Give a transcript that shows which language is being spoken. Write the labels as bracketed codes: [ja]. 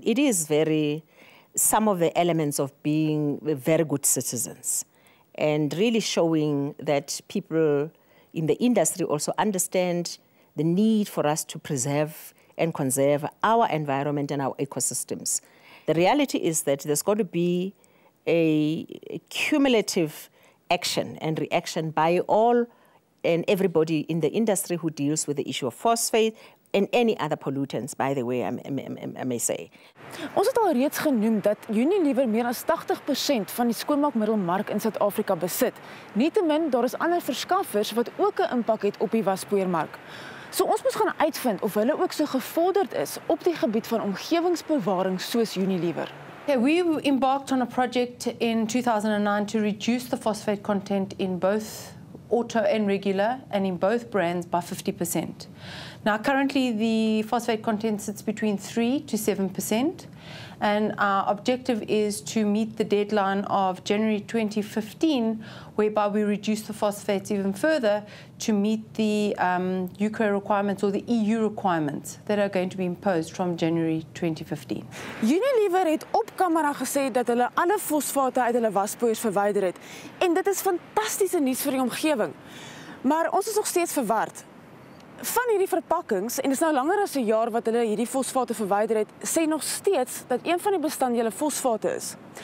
[en] It is very, some of the elements of being very good citizens and really showing that people in the industry also understand the need for us to preserve and conserve our environment and our ecosystems. The reality is that there's got to be a cumulative action and reaction by all and everybody in the industry who deals with the issue of phosphate and any other pollutants, by the way, I may say. [af] Ons het al reeds genoem dat Unilever meer as 80% van die skoonmaakmiddelmark in Suid-Afrika besit. Nietemin, daar is ander verskaffers wat ook 'n impak het op die waspoeiermark. So ons moet gaan uitvind of hulle ook so gevorderd is op die gebied van omgewingsbewaring soos Unilever. [en] Yeah, we embarked on a project in 2009 to reduce the phosphate content in both auto and regular and in both brands by 50%. Now currently the phosphate content sits between 3 to 7% and our objective is to meet the deadline of January 2015 whereby we reduce the phosphates even further to meet the UK requirements or the EU requirements that are going to be imposed from January 2015. [af] Unilever het op camera gesê dat hulle alle fosfate uit hulle waspoeiers verwyder het en dit is fantastiese nuus vir die omgewing. Maar ons is nog steeds verward. Van hierdie verpakkings en dis nou langer as 'n jaar wat hulle hierdie fosfate verwyder het, sê nog steeds dat een van die bestanddele fosfate is.